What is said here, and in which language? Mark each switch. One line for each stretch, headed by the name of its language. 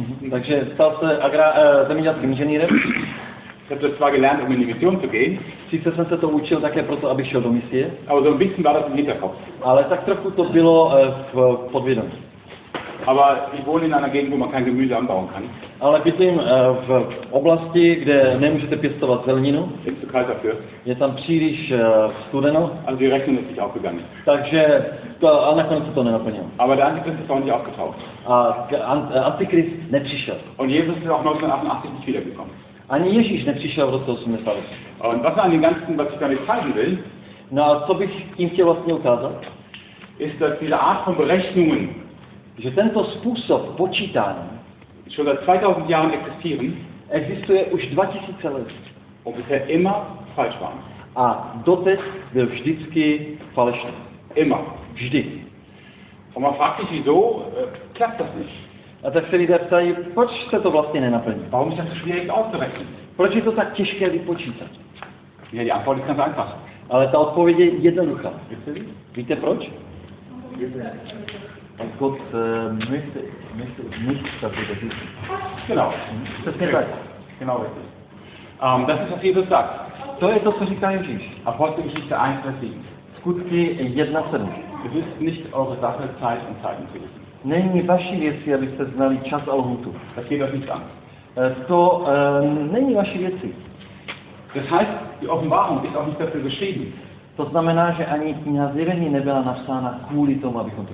Czech: Takže stal se zemědělským inženýrem.
German: Ich habe zwar gelernt, um in die Mission zu gehen.
Czech: Sice jsem se to učil také proto, abych šel do misie.
German: Aber so ein bisschen war das im Hinterkopf.
Czech: Ale tak trochu to bylo v podvědomí.
German: Aber ich wohne in einer Gegend, wo man kein Gemüse anbauen kann.
Czech: Ale bydlím v oblasti, kde nemůžete pěstovat zeleninu.
German: Ist zu kalt dafür.
Czech: Je tam příliš studeno.
German: Also die Rechnung ist nicht aufgegangen.
Czech: Takže to, a nakonec se to nenaplnilo.
German: Aber der Antichrist ist auch nicht aufgetaucht.
Czech: A Antichrist nepřišel.
German: Und Jesus ist auch 1988 nicht wiedergekommen.
Czech: Ani Ježíš nepřišel v roce 88.
German: Was an den ganzen, was ich damit zeigen will,
Czech: no a co bych tím chtěl vlastně ukázat,
German: ist, dass diese Art von Berechnungen,
Czech: že tento způsob počítání
German: schon seit 2000 Jahren existieren,
Czech: existuje už 2000 let.
German: Und bisher immer falsch waren.
Czech: A doteď byl vždycky falešný.
German: Immer.
Czech: Vždy.
German: Und man fragt sich, wieso klappt das nicht?
Czech: A tak se lidé ptají, proč se to vlastně nenaplní?
German: Warum ist das so schwierig auszurechnen?
Czech: Proč je to tak těžké vypočítat?
German: Ja, die Antwort ist ganz einfach.
Czech: Ale ta odpověď je jednoduchá. Víte proč?
German: Weil Gott möchte nichts dafür wissen. Genau. Das ist richtig. Genau richtig. Das ist, was Jesus sagt.
Czech: To je to, co říká Ježíš.
German: Apostelgeschichte 1:7.
Czech: Skutky 1:7.
German: Es ist nicht eure Sache, Zeit und Zeiten zu wissen.
Czech: Není vaší věcí, abyste znali čas a lhutu.
German: Das geht doch nicht an.
Czech: To není vaší věcí.
German: Das heißt, die Offenbarung ist auch nicht dafür geschrieben.
Czech: To znamená, že ani kniha zjevení nebyla napsána kvůli tomu, abychom to